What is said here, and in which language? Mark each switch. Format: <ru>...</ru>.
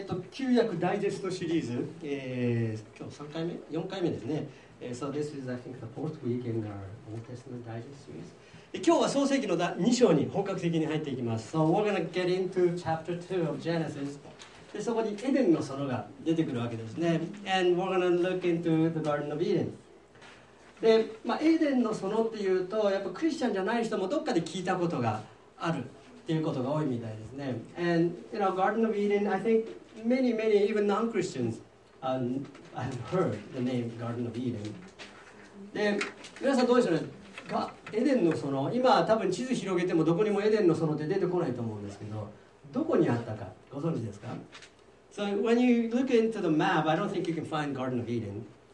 <ja>旧約ダイジェストシリーズ、今日3回目、4回目ですね。</ja> <en>So this is, I think, the fourth week in our Old Testament Digest series.</en> <ja>今日は創世記の2章に本格的に入っていきます。</ja> <en>So we're going to get into chapter 2 of Genesis.</en> <ja>で、そこにエデンの園が出てくるわけですね。</ja> <en>And we're going to look into the Garden of Eden.</en> <ja>で、まあ、エデンの園っていうと、やっぱクリスチャンじゃない人もどっかで聞いたことがあるっていうことが多いみたいですね。</ja> <en>And, you know, Garden of Eden, I think many, many, even non-Christians, have heard the name Garden of Eden.</en> <ja>で、皆さんどうでしょうね。エデンの園、今多分地図広げてもどこにもエデンの園って出てこないと思うんですけど、どこにあったかご存知ですか ?So</ja> <en>when you look into the map, I don't think you can find Garden of Eden.</en>